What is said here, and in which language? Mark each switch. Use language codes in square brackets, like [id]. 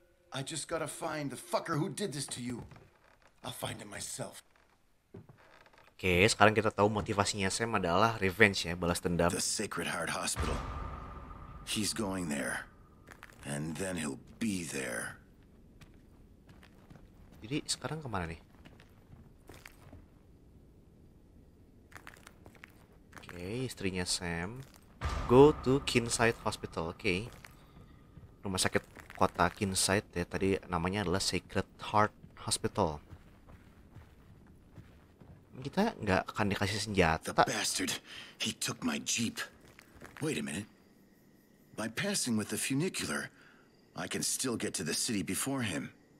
[en] I just gotta find the fucker who did this to you. I'll find him myself. [id] Oke, okay, sekarang kita tahu motivasinya Sam adalah revenge ya, balas dendam. [en] The Sacred Heart Hospital. He's going there. And then he'll be there. [id] Jadi sekarang kemana nih? [en] Oke, okay, istrinya Sam. Go to Kinsight Hospital. Oke. Okay. [id] Rumah sakit kota Kinsight ya, tadi namanya adalah Sacred Heart Hospital. Kita enggak akan dikasih senjata. [en] The bastard. He took my jeep. Wait a minute. By passing with the funicular, I can still get to the city before him.